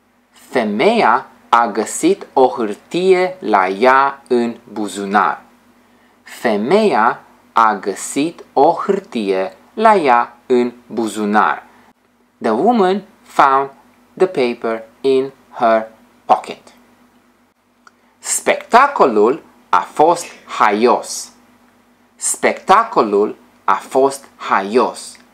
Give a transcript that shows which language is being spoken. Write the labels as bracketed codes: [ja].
[ro] Femeia a găsit o hârtie la ea în buzunar. Femeia a găsit o hârtie la ea în buzunar. [en] The woman found the paper in her pocket. [ro] Spectacolul a fost haios. Spectacolul a fost haios.